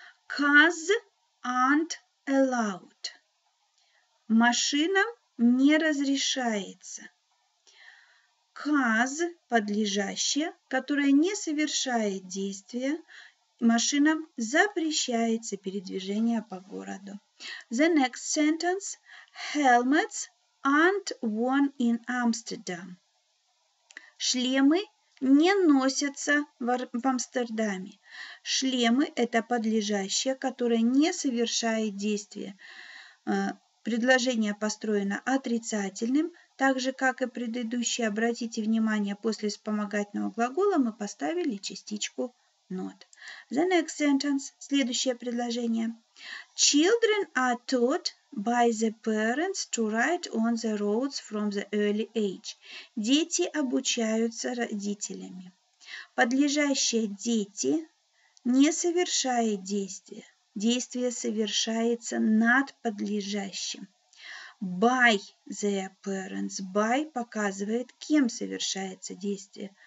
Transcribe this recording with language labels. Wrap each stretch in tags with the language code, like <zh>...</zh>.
<en>Cars aren't allowed.</en> <ru>Машинам не разрешается. Cause – подлежащее, которое не совершает действия. Машинам запрещается передвижение по городу.</ru> <en>The next sentence – helmets aren't worn in Amsterdam.</en> <ru>Шлемы не носятся в Амстердаме. Шлемы – это подлежащее, которое не совершает действия. Предложение построено отрицательным. Так же, как и предыдущие, обратите внимание, после вспомогательного глагола мы поставили частичку not.</ru> <en>The next sentence,</en> <ru>следующее предложение.</ru> <en>Children are taught by the parents to ride on the roads from the early age.</en> <ru>Дети обучаются родителями. Подлежащее «дети» не совершает действие. Действие совершается над подлежащим.</ru> <en>By their parents.</en> <ru>By показывает, кем совершается действие.</ru>